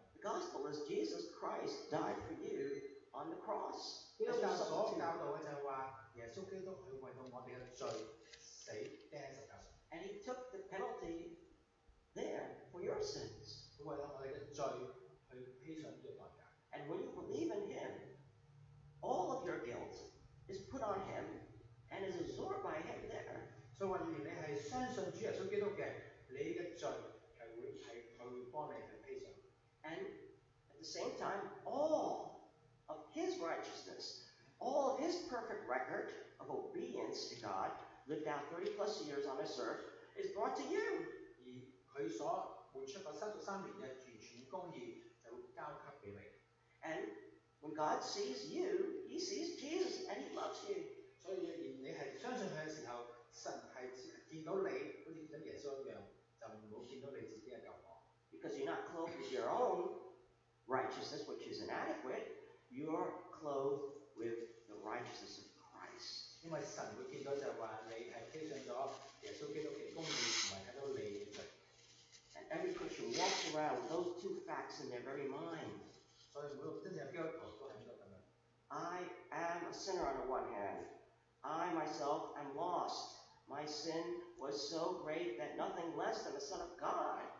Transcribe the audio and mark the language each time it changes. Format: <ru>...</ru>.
<en>The gospel is Jesus Christ died for you on the cross.</en> <yue>基督教所教導嘅就係話耶穌基督佢為到我哋嘅罪死釘喺十字架上。</yue> <en>And he took the penalty there for your sins.</en> <yue>佢為到我哋嘅罪去披上呢個代價。</yue> <en>And when you believe in him, all of your guilt is put on him and is absorbed by him there.</en> <yue>所以話，若然你係相信主耶穌基督嘅，你嘅罪係佢會幫你去披上。</yue> <en>And at the same time, all of His righteousness, all of His perfect record of obedience to God, lived out 30+ years on this earth, is brought to you.</en> <yue>而佢所活出嘅33年嘅完全公義就交給俾你。</yue> <en>And when God sees you, He sees Jesus, and He loves you.</en> <yue>所以若然你係相信佢嘅時候，神係見到你好似見到耶穌一樣，就唔好見到你自己嘅救恩。</yue> <en>Because you're not clothed with your own righteousness, which is inadequate, you're clothed with the righteousness of Christ.</en> <yue>因為神會見到就係話你係披上咗耶穌基督嘅公義，同埋睇到你嘅罪。</yue> <en>And every Christian walks around with those two facts in their very mind.</en> <yue>所以每個真正基督徒都係咁樣。</yue> <en>I am a sinner on the one hand. I myself am lost. My sin was so great that nothing less than the Son of God.</en>